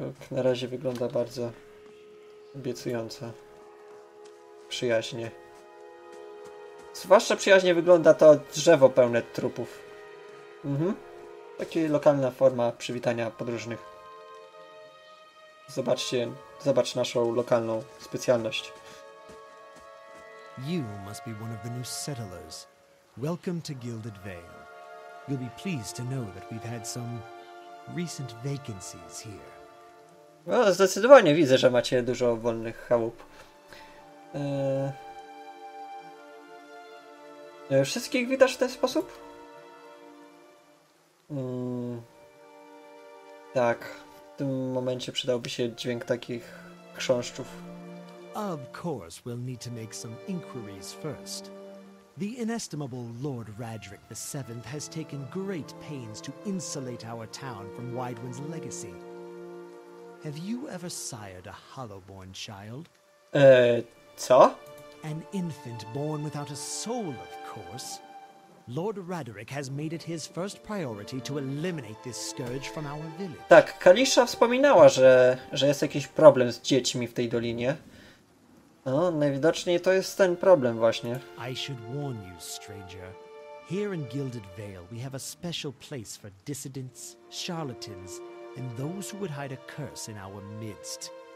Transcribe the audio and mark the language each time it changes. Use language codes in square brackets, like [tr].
[pl] Na razie wygląda bardzo obiecująco. Przyjaźnie. Zwłaszcza przyjaźnie wygląda to drzewo pełne trupów. Taka lokalna forma przywitania podróżnych. Zobaczcie, zobacz naszą lokalną specjalność. [en] You must be one of the new settlers. Welcome to Gilded Vale. You'll be pleased to know that we've had some recent vacancies here. [pl] No, zdecydowanie widzę, że macie dużo wolnych chałup. Wszystkich witasz w ten sposób? Tak, w tym momencie przydałby się dźwięk takich chrząszczów. [en] Of course, we'll need to make some inquiries first. The inestimable Lord Radric the Seventh has taken great pains to insulate our town from Widewind's legacy. Have you ever sired a hollowborn child? [pl] Co? [en] An infant born without a soul, of course. Lord Radric has made it his first priority to eliminate this scourge from our village. [pl] Tak, Kalisza wspominała, że jest jakiś problem z dziećmi w tej dolinie. No, najwidoczniej to jest ten problem właśnie. [en] I should warn you, stranger. Here in Gilded Vale, we have a special place for dissidents, charlatans, and those who would hide a curse in our midst.